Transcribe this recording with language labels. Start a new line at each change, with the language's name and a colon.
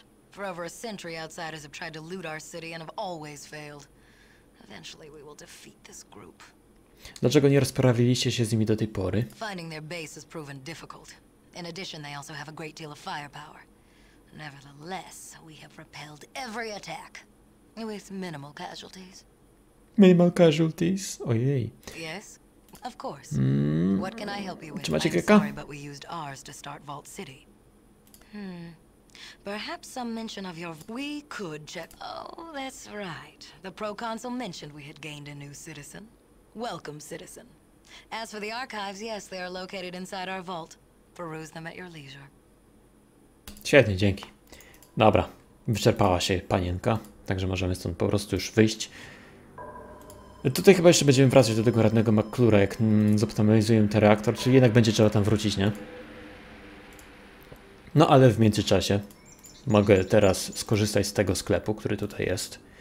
English: For over a century, outsiders have tried to loot our city and have always failed. Eventually, we will defeat this group.
Polish: Dlaczego nie rozprawiliście się z nimi do tej pory?
English: Finding their base has proven difficult. In addition, they also have a great deal of firepower. Nevertheless, we have repelled every attack with minimal casualties. Minimal casualties? Ojej. Yes, of course. What can I help you with?
Polish: Czy macie kilka?
English: I'm sorry, but we used ours to start Vault City. Perhaps some mention of your... We could check... Oh, that's right. The proconsul mentioned we had gained a new citizen. Welcome, citizen. As for the archives, yes, they are located inside our vault. Peruse them at your leisure.
Polish: Świetnie, dzięki. Dobra, wyczerpała się panienka, także możemy stąd po prostu już wyjść. Tutaj chyba jeszcze będziemy wracać do tego radnego McClure'a, jak zoptymalizujemy ten reaktor, czyli jednak będzie trzeba tam wrócić, nie? No ale w międzyczasie mogę teraz skorzystać z tego sklepu, który tutaj jest.